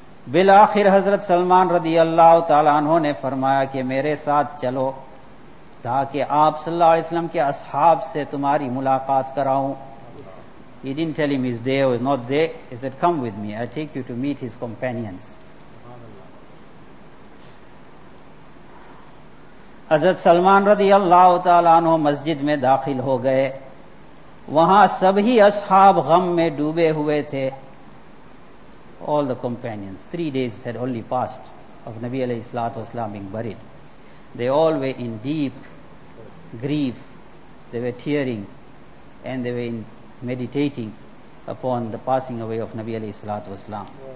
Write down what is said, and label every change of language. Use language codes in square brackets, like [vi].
[ur] بالآخر حضرت سلمان رضی اللہ تعالیٰ عنہ نے فرمایا کہ میرے ساتھ چلو تاکہ آپ صلی اللہ علیہ وسلم کے اصحاب سے تمہاری ملاقات کراؤں. [en] He didn't tell him he's there or he's not there. He said, come with me, I take you to meet his companions. [ur] حضرت سلمان رضی اللہ تعالیٰ عنہ مسجد میں داخل ہو گئے. وہاں سب ہی اصحاب غم میں ڈوبے ہوئے تھے. [en] All the companions, 3 days had only passed of Nabi alayhi salatu wasalam being buried. They all were in deep grief. They were tearing and they were in meditating upon the passing away of Nabi alayhi salatu wasalam.